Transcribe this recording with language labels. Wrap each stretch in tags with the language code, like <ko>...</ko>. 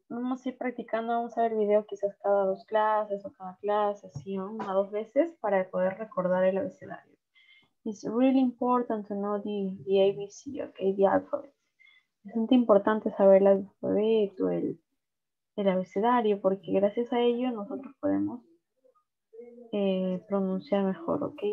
<es>Vamos a ir practicando, vamos a ver video quizás cada dos clases o cada clase, así, una o dos veces para poder recordar el abecedario.</es> <en>It's really important to know the ABC, ok, the alphabet.</en> <es>Es muy importante saber el alfabeto, el abecedario, porque gracias a ello nosotros podemos pronunciar mejor, ok.</es>